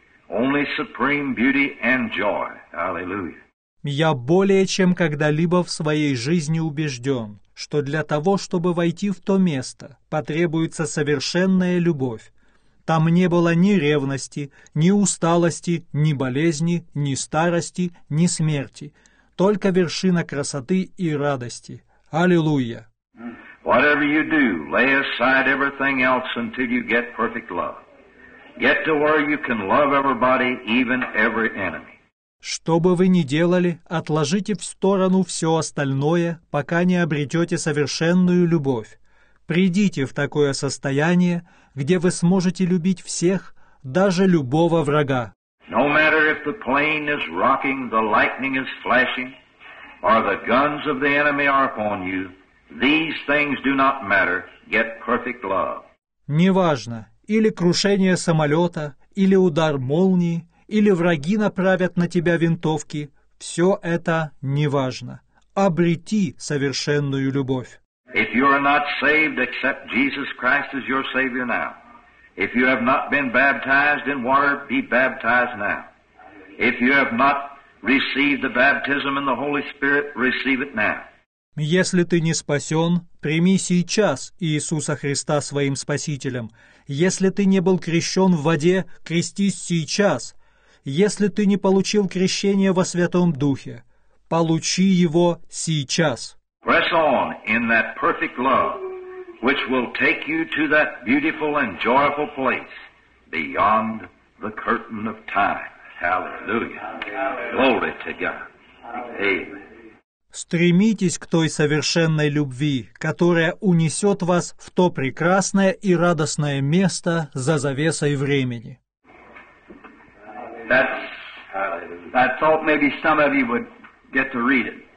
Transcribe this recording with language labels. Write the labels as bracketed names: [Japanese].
[English] Only supreme beauty and joy. Hallelujah. [Russian] Я более чем когда-либо в своей жизни убежден, что для того, чтобы войти в то место, потребуется совершенная любовь. Там не было ни ревности, ни усталости, ни болезни, ни старости, ни смерти. Только вершина красоты и радости. Аллилуйя! [English] Whatever you do, lay aside everything else until you get perfect love. Get to where you can love everybody, even every enemy. [Russian] Что бы вы ни делали, отложите в сторону все остальное, пока не обретете совершенную любовь. Придите в такое состояние, где вы сможете любить всех, даже любого врага. [English] No matter if the plane is rocking, the lightning is flashing, or the guns of the enemy are upon you, these things do not matter. Get perfect love. [Russian] Неважно, или крушение самолета, или удар молнии, или враги направят на тебя винтовки, все это неважно. Обрети совершенную любовь. [English] If you are not saved, accept Jesus Christ as your Savior now. If you have not been baptized in water, be baptized now. If you have not received the baptism in the Holy Spirit, receive it now. [Russian] Если ты не спасен, прими сейчас Иисуса Христа своим Спасителем. Если ты не был крещен в воде, крестись сейчас. Если ты не получил крещение во Святом Духе, получи его сейчас. [English] Press on in that perfect love, which will take you to that beautiful and joyful place beyond the curtain of time. Hallelujah. Glory to God. Amen. [Russian] Стремитесь к той совершенной любви, которая унесет вас в то прекрасное и радостное место за завесой времени. [English] I thought maybe some of you would get to read it.